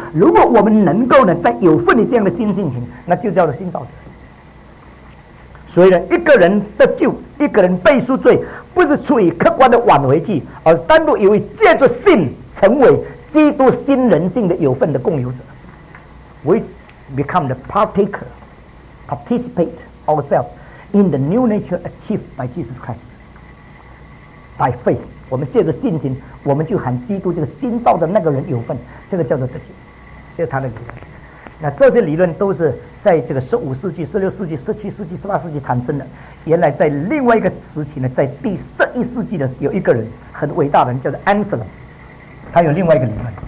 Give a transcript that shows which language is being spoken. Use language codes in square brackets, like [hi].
[zh] 如果我们能够呢，在有份的这样的新性情，那就叫做新造的。所以呢，一个人得救，一个人被赎罪，不是出于客观的挽回计，而是单独以为借着信成为基督新人性的有份的共有者。 [en] We become the partaker, participate ourselves in the new nature achieved by Jesus Christ by faith. [zh] 我们借着信心，我们就喊基督这个新造的那个人有份，这个叫做得救，这是他的理论。那这些理论都是在这个15世纪、16世纪、17世纪、18世纪产生的。原来在另外一个时期呢，在第11世纪的有一个人很伟大的人，叫做 Anselm， 他有另外一个理论。